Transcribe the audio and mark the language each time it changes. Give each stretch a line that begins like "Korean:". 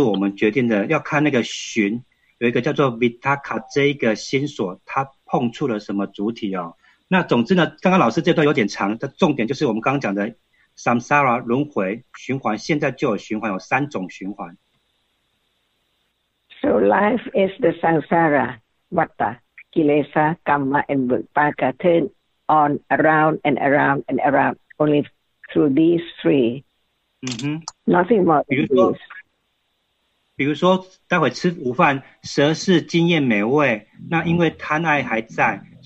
Chinese: 一个是果报的循环，一个是业力的循环，三种的循环。那么在整个心路过程中呢，就会有这三个一直在累积哦。那么，我们在讨论循环这件事情，可是我们不管怎么样，都是心所跟色法。那么我们想什么不是我们决定的，要看那个循，有一个叫做 vitaka 这一个心所，它碰触了什么主体哦。那总之呢，刚刚老师这段有点长，的重点就是我们刚刚讲的 samsara 轮回循环，现在就有循环，有三种循环。
English: So life is the samsara, vata, kilesa, kamma, and vipaka turn on around and around and around only through these three. Nothing more.
Chinese: 比如说待会吃午饭，舌是经验美味，那因为贪爱还在。